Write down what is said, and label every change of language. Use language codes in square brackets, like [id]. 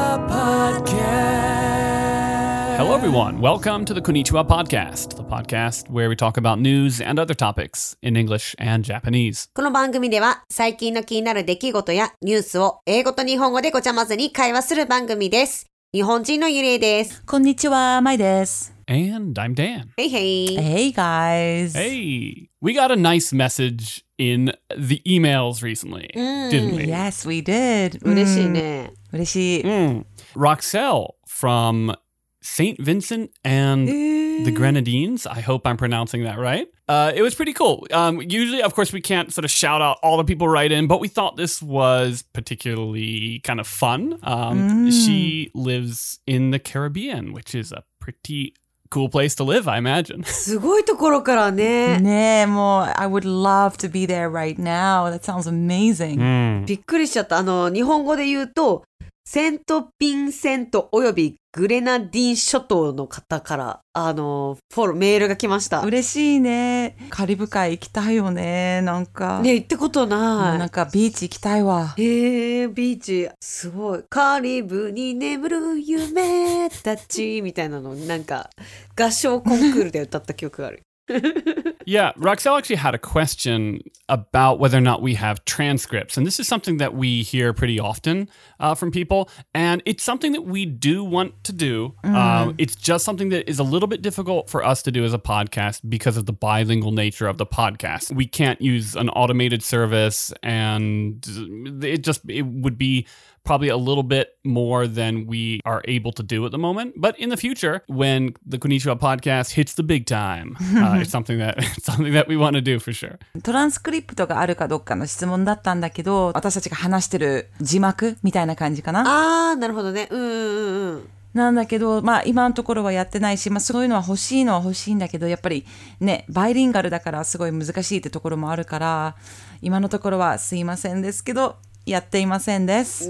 [en] Hello everyone, welcome to the Konnichiwa Podcast, the podcast where we talk about news and other topics in English and Japanese. [ja] この番組では最近の気になる出来事やニュースを英語と日本語でごちゃ混ぜに会話する番組です。日本人のゆりえです。こんにちは、まいです。 [en] And I'm Dan. Hey, hey. Hey, guys. Hey. We got a nice message in the emails recently, didn't we? Yes, we did. [ja] 嬉しいね。嬉しい。 [en] Roxelle from St. Vincent and the Grenadines. I hope I'm pronouncing that right. It was pretty cool. Usually, of course, we can't sort of shout out all the people write in, but we thought this was particularly kind of fun. She lives in the Caribbean, which is a pretty cool place to live, I imagine. [ja] すごいところからね。ねえ、もう、 [en] I would love to be there right now. That sounds amazing. [ja] びっくりしちゃった。あの、日本語で言うと、セント・ヴィンセントおよびグレナディン諸島の方からあのフォローメールが来ました。嬉しいね。カリブ海行きたいよね。なんかね行ったことない。なんかビーチ行きたいわ。へえービーチすごい。カリブに眠る夢たちみたいなのなんか合唱コンクールで歌った曲がある。 [en] Yeah, Roxelle actually had a question about whether or not we have transcripts. And this is something that we hear pretty often from people. And it's something that we do want to do. It's just something that is a little bit difficult for us to do as a podcast because of the bilingual nature of the podcast. We can't use an automated service and it would be probably a little bit more than we are able to do at the moment. But in the future, when the Konnichiwa podcast hits the big time, it's something that we want to do for sure. [ja] トランスクリプトがあるかどうかの質問だったんだけど、私たちが話してる字幕みたいな感じかな。ああ、なるほどね。なんだけど、まあ今のところはやってないし、まあそういうのは欲しいのは欲しいんだけど、やっぱりね、バイリンガルだからすごい難しいってところもあるから、今のところはすいませんですけど、やっていませんです。